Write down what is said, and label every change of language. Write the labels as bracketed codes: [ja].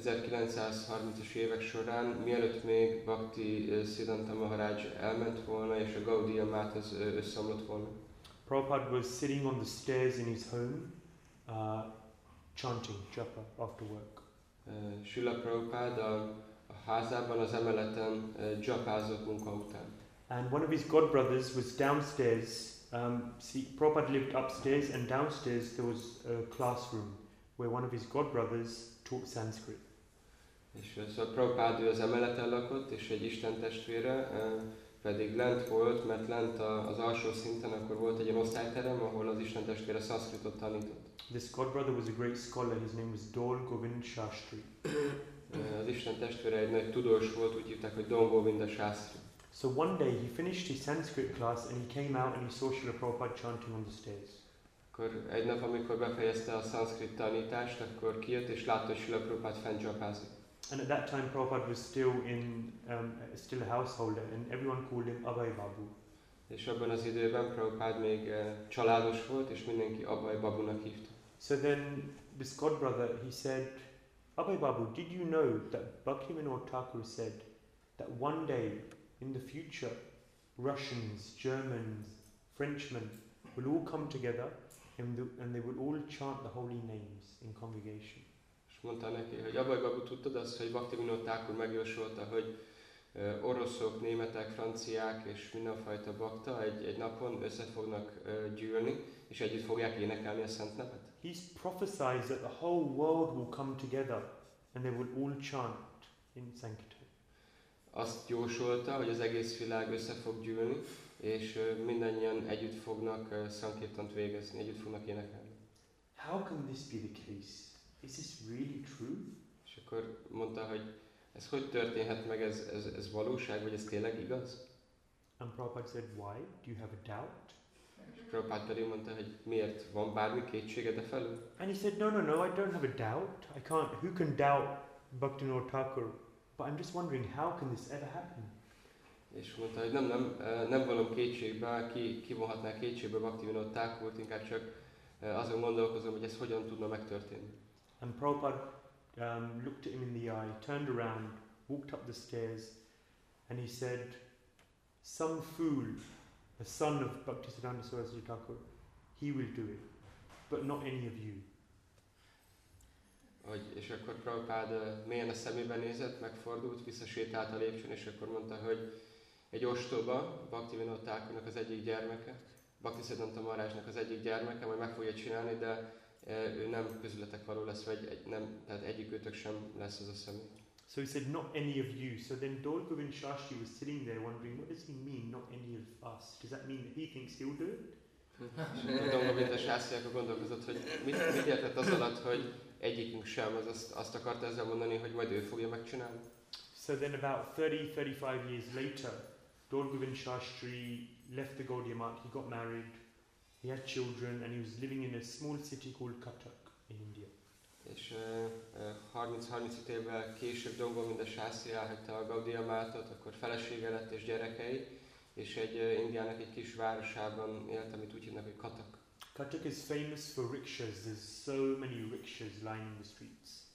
[hu] 1930-as évek során, mielőtt még Bhakti Siddhanta Maharaj elment volna, és a Gaudiya Math az összeomlott volna. [en] Prabhupada was sitting on the stairs in his home, chanting japa after work. [hu] Srila Prabhupada a házában az emeleten dzsakázott munka után. [en] And one of his god brothers was downstairs. See, Prabhupada lived upstairs, and downstairs there was a classroom where one of his god brothers taught Sanskrit. [hu] És szóval Prabhupada az emeleten lakott, és egy Isten testvére pedig lent volt, mert lent az alsó szinten akkor volt egy osztályterem, ahol az Isten testvére Sanskritot tanított. [en] This god brother was a great scholar. His name was Dol Govind Shastri. [hu] Az Isten testvére egy nagy tudós volt, úgy hívták, hogy Dol Govinda Shastri. [en] So one day he finished his Sanskrit class and he came out and he saw Srila Prabhupada chanting on the stairs. [hu] Akkor egy nap, amikor befejezte a Sanskrit tanítást, akkor kijött és látta Srila Prabhupada fent dzsakázik. [en] And at that time Prabhupada was still in still a householder and everyone called him Abhay Babu. [hu] És abban az időben Prabhupada még családos volt és mindenki Abhay Babunak hívta. [en] So then this god brother, he said, Abhay Babu, did you know that Bhaktivinoda Thakur said that one day in the future, Russians, Germans, Frenchmen will all come together and they will all chant the holy names in congregation. [hu] És mondta neki, hogy Abhay Babu, tudtad azt, hogy Bhaktivinoda Thakur megjósolta, hogy oroszok, németek, franciák és mindenfajta bakta egy napon össze fognak gyűlni, és együtt fogják énekelni a szent nevet. [en] He's prophesied that the whole world will come together and they will all chant in Sankirtan. [hu] Azt jósolta, hogy az egész világ össze fog gyűlni, és mindannyian együtt fognak szankirtant végezni, együtt fognak énekelni. [en] How can this be the case? Is this really true? [hu] És akkor mondta, hogy ez hogy történhet meg, ez valóság, vagy ez tényleg igaz? [en] And Prabhupada said, why? Do you have a doubt? [hu] És Prabhupada pedig mondta, hogy miért, van bármi kétséged e felől? [en] And he said, no, I don't have a doubt. I can't, who can doubt Bhaktivinoda Thakur? But I'm just wondering, how can this ever happen? [hu] És mondta, hogy nem vallom kétségbe, ki vonhatná kétségbe Bhaktivinoda Thakurt, inkább csak azon gondolkozom, hogy ez hogyan tudna megtörténni. [en] And Prabhupada looked at him in the eye, turned around, walked up the stairs, and he said, some fool, a son of Bhaktisiddhanta Saraswati Thakur, he will do it, but not any of you. [hu] Hogy, és akkor Prabhupada mélyen a szemébe nézett, megfordult, visszasétált a lépcsőn, és akkor mondta, hogy egy ostoba, Bhaktivinoda Thakurnak az egyik gyermeke, Bhaktisiddhanta Maharajnak az egyik gyermeke, majd meg fogja csinálni, de ő nem közületek való lesz, vagy nem, tehát egyikőtök sem lesz az a személy. [en] So he said, not any of you. So then Dol Govinda Shastri was sitting there wondering, what does he mean, not any of us? Does that mean that he thinks he'll do it? [hu] És akkor Dol Govinda Shastri akkor gondolkozott, hogy mit értett az alatt, hogy egyikünk sem, az azt akarta ezzel mondani, hogy majd ő fogja megcsinálni. [en] So then about 30-35 years later, Dol Govinda Shastri left the Gaudiya Math, he got married, he had children, and he was living in a small city called Cuttack in India. [hu] És 30-35 évvel később Dol Govinda Shastri elhagyta a Gaudiya Mathot, akkor felesége lett és gyerekei, és egy Indiának egy kis városában élt, amit úgy hívnak, hogy Cuttack. [en] Cuttack is famous for rickshaws. There's so many rickshaws lining the streets.